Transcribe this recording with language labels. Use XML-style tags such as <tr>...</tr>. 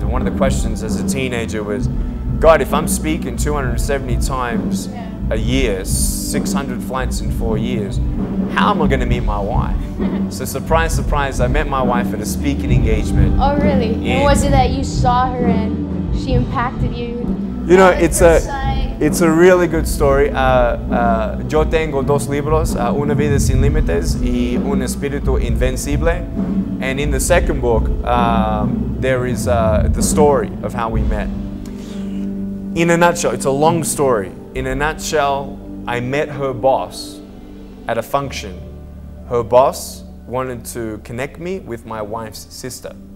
<en>And one of the questions as a teenager was, God, if I'm speaking 270 times a year, 600 flights in 4 years, how am I going to meet my wife? So surprise, surprise, I met my wife at a speaking engagement. Oh, really? And was it that you saw her and she impacted you? You know, it's a really good story.</en> <es>Yo tengo dos libros, Una Vida Sin Límites y Un Espíritu Invencible.</es> <en>And in the second book, there is the story of how we met. In a nutshell, it's a long story. In a nutshell, I met her boss at a function. Her boss wanted to connect me with my wife's sister.</en>